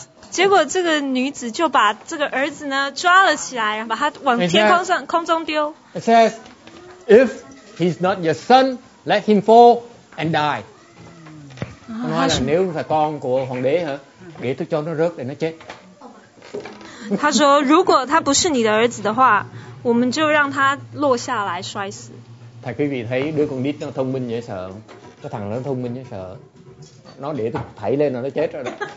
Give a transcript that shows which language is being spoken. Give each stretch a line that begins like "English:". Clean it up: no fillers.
Chinese: 结果这个女子就把这个儿子呢抓了起来，然后把他往天空上空中丢。
English: It says, if he's not your son, let him fall and die.
Chinese: 他是
Vietnamese: nếu là con của hoàng đế hả, để tôi cho nó rớt để nó chết.
Chinese: 他说如果他不是你的儿子的话，我们就让他落下来摔死。
Vietnamese: Thầy quý vị thấy đứa con nít nó thông minh dễ sợ, cái thằng nó thông minh dễ sợ. Nó để tôi thảy lên là nó chết rồi đó.